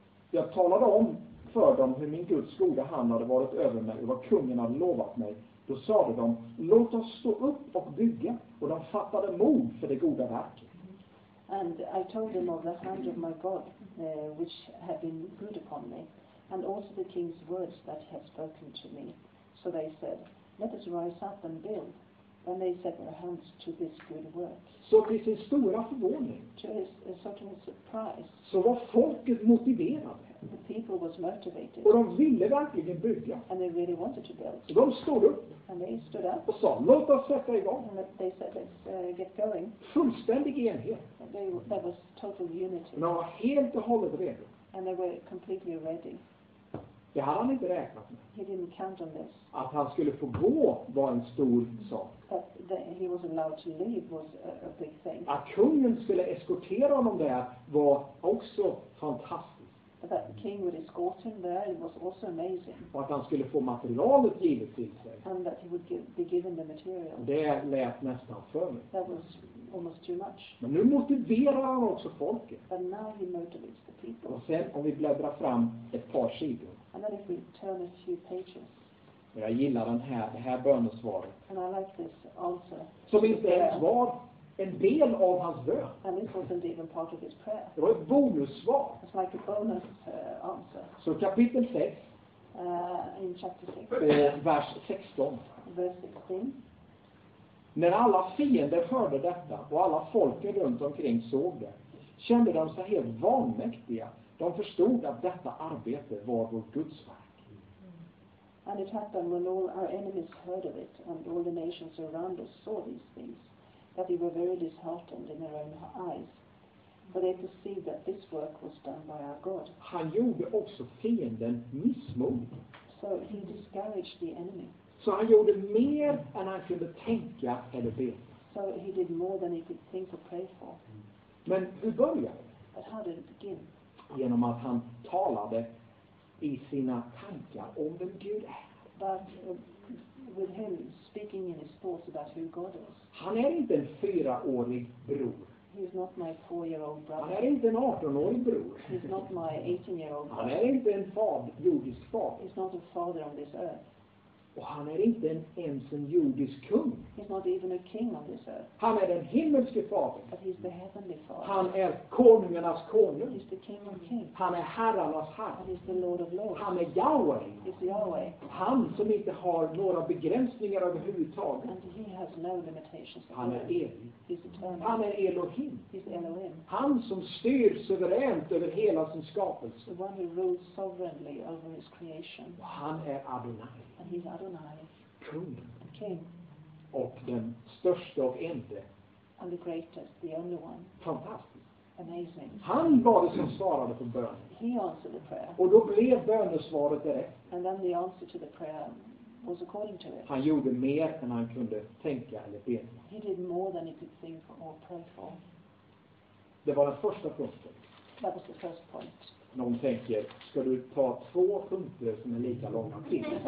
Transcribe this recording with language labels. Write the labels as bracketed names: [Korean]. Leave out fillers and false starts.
[Swedish] Jag talade om för dem hur min Guds goda hand hade varit över mig och vad kungen hade lovat mig. Då sa de, låt oss stå upp och bygga. Och de fattade mod för det goda verket. [English] And I told them of the hand of my God which had been good upon me. And also the king's words that he had spoken to me. So they said, let us rise up and build. And they set their hands to this good work. [Swedish] Så till sin stora förvåning. [English] To his certain surprise. [Swedish] Så var folket motiverade. [English] The people was motivated. [Swedish] Och de ville verkligen bygga. [English] And they really wanted to build. [Swedish] De stod upp. [English] And they stood up. [Swedish] Och sa, låt oss sätta igång. [English] And they said, let's get going. [Swedish] Fullständig enhet. [English] There was total unity. [Swedish] De var helt och hållet redo. [English] And they were completely ready. [Swedish] Det hade han inte räknat med. [English] He didn't count on this. [Swedish] Att han skulle få gå var en stor sak. [English] But that he was allowed to leave was a big thing. [Swedish] Att kungen skulle eskortera honom där var också fantastiskt. [English] But that the king would escort him there, it was also amazing. [Swedish] Och att han skulle få materialet givet till sig. [English] And that he would be given the material. [Swedish] Det lät nästan för mig. [English] That was almost too much. [Swedish] Men nu motiverar han också folket. [English] But now he motivates the people. [Swedish] Och sen om vi bläddrar fram ett par sidor. [English] And then if we turn a few pages. [Swedish] Jag gillar den här, det här bönesvaret. [English] And I like this answer. [Swedish] Som inte ens var en del av hans bön. [English] And this wasn't even part of his prayer. [Swedish] Det var ett bonussvar. [English] It's like a bonus answer. [Swedish] Så kapitel 6. [English] In chapter 6. [Swedish] Vers 16. [English] Verse 16. [Swedish] När alla fiender hörde detta och alla folket runt omkring såg det, kände de sig helt vanmäktiga. De förstod att detta arbete var vårt Guds verk. [English] And it happened when all our enemies heard of it and all the nations around us saw these things, that they were very disheartened in their own eyes. But they perceived that this work was done by our God. [Swedish] Han gjorde också fienden missmodig. [English] So he discouraged the enemy. [Swedish] Så han gjorde mer än han kunde tänka eller be. [English] So he did more than he could think or pray for. [Swedish] Men hur började det? [English] But how did it begin? [Swedish] Genom att han talade i sina tankar om vem Gud är. [English] But with him speaking in his thoughts about who God is. [Swedish] Han är inte en 4-årig bror. [English] He's not my 4-year-old brother. [Swedish] Han är inte en 18-årig bror. [English] He's not my 18-year-old brother. [Swedish] Han är inte en fader, jordisk far. [English] He's not a father on this earth. [Swedish] Och han är inte ens en jordisk kung. [English] He's not even a king on this earth. [Swedish] Han är den himmelske fadern. [English] But he's the heavenly father. [Swedish] Han är konungarnas konung. [English] He's the king of kings. [Swedish] Han är herrarnas herre. [English] He's the lord of lords. [Swedish] Han är Yahweh. [English] He's Yahweh. [Swedish] Han som inte har några begränsningar överhuvudtaget. [English] And he has no limitations. [Swedish] Han är evig. [English] He's eternal. [Swedish] Han är Elohim. [English] He's Elohim. [Swedish] Han som styr suveränt över hela sin skapelse. [English] The one who rules sovereignly over his creation. [Swedish] Och han är Adonai. [English] And he's Adonai. [Swedish] Kung. [English] The king. [Swedish] Och den största och enda. [English] And the greatest, the only one. [Swedish] Fantastiskt. [English] Amazing. [Swedish] Han var det som svarade på bönen. [English] He answered the prayer. [Swedish] Och då blev bönesvaret direkt. [English] And then the answer to the prayer was according to it. [Swedish] Han gjorde mer än han kunde tänka eller be. [English] He did more than he could think or pray for. [Swedish] Det var den första punkten. [English] That was the first point. [Swedish] Någon tänker, ska du ta två punkter som är lika långa till?